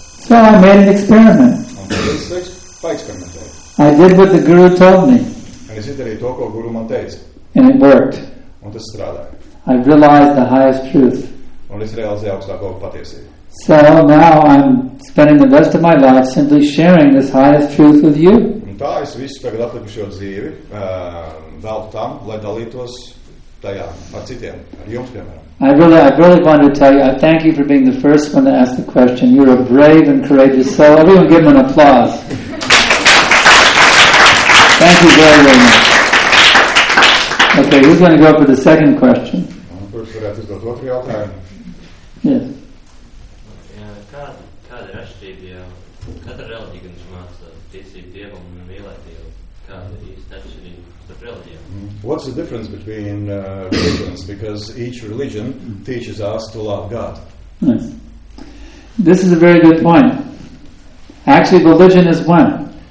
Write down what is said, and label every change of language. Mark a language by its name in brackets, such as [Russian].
[English] So I made an experiment. [Latvian] Un tad es paeksperimentēju. [English] I did what the guru told me. [Latvian] Un es izdarīju to, ko guru man teica. [English] And it worked. [Latvian] Un tas strādā. [English] I realized the highest truth. [Latvian] Un es realizēju augstāko patiesību. [English] So now I'm spending the rest of my life simply sharing this highest truth with you. [Latvian] Un tā es visu tagad atlikušo dzīvi veltu tam, lai dalītos tajā ar citiem, ar jums piemēram. [English] I really want to tell you, I thank you for being the first one to ask the question. You're a brave and courageous soul. Everyone give him an applause. Thank you very, very much. Okay, who's going to go for the second question? First, we're going to go to the other. [Latvian] Kāda ir atšķirība, ja katra reliģija māca ticību Dievam un mīlēt Dievu? Kāda ir īsta atšķirība starp reliģijām? [English] What's the difference between religions? Because each religion teaches us to love God. Yes. This is a very good point. Actually, religion is one.